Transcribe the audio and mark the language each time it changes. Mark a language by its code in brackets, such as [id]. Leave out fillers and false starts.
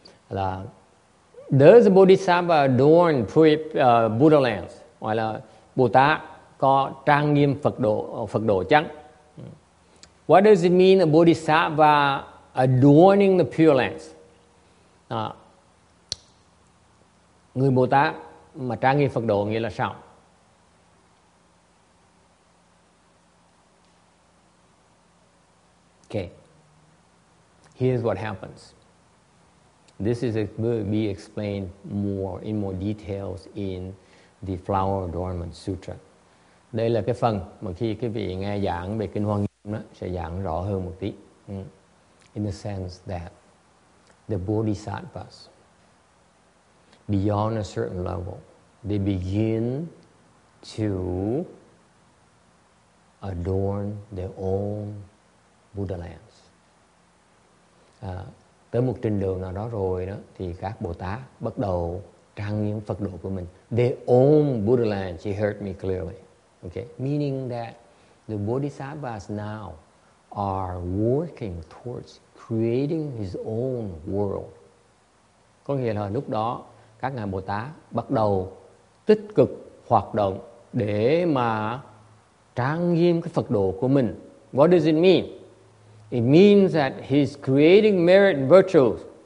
[en] Là does Bodhisattva adorn Buddha lands? [vi] Hoặc là Bồ Tát có trang nghiêm Phật độ chăng? [en] What does it mean a Bodhisattva adorning the pure lands? [vi] Người Bồ Tát mà trang nghiêm Phật độ nghĩa là sao? [en] Okay. Here's what happens. This will be explained more in more details in The Flower Adornment Sutra. [vi] Đây là cái phần mà khi quý vị nghe giảng về kinh Hoa Nghiêm đó, sẽ giảng rõ hơn một tí. [en] In the sense that the bodhisattvas, beyond a certain level, they begin to adorn their own Buddha lands. [vi] Tới một trình độ nào đó rồi đó, thì các Bồ Tát bắt đầu trang nghiêm Phật độ của mình. [en] They own Buddha lands, she heard me clearly. Okay, meaning that the bodhisattvas now are working towards creating his own world. [vi] Có nghĩa là lúc đó các ngài Bồ Tát bắt đầu tích cực hoạt động để mà trang nghiêm cái Phật độ của mình. [en] What does it mean? It means that he's creating merit and virtues.